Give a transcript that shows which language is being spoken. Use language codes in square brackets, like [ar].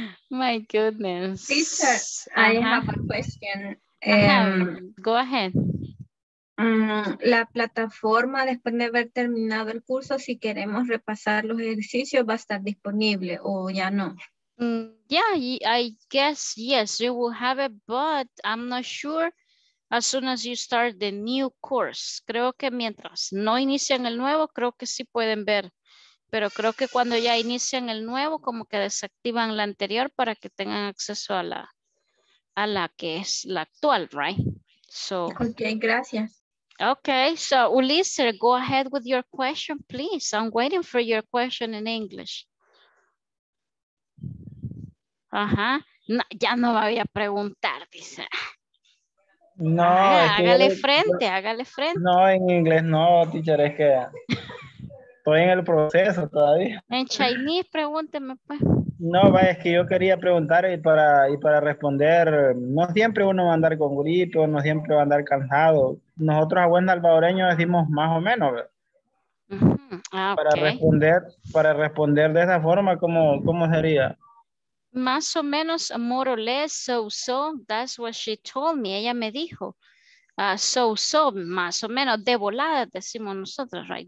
[en] My goodness. Teacher, I have a question. Go ahead. [es] La plataforma, después de haber terminado el curso, si queremos repasar los ejercicios, ¿va a estar disponible o ya no? [en] Yeah, I guess yes, you will have it, but I'm not sure as soon as you start the new course. [es] Creo que mientras no inician el nuevo, creo que sí pueden ver. Pero creo que cuando ya inician el nuevo, como que desactivan la anterior para que tengan acceso a la que es la actual, right? [en] So, [es] okay, gracias. [en] Okay, so Ulises, go ahead with your question, please. I'm waiting for your question in English. [es] Ajá, no, ya no me voy a preguntar, dice. No. Hágale frente, hágale frente. No, en inglés no, teacher, es que estoy en el proceso todavía. En chinese, pregúnteme, pues. No, vaya, es que yo quería preguntar y para responder. No siempre uno va a andar con gripe, no siempre va a andar cansado. Nosotros a buen salvadoreño decimos más o menos, ¿verdad? Ah, para okay. Para responder de esa forma, ¿cómo sería? Más o menos, [en] more or less, so, that's what she told me. [es] Ella me dijo, so, más o menos, de volada, decimos nosotros, right?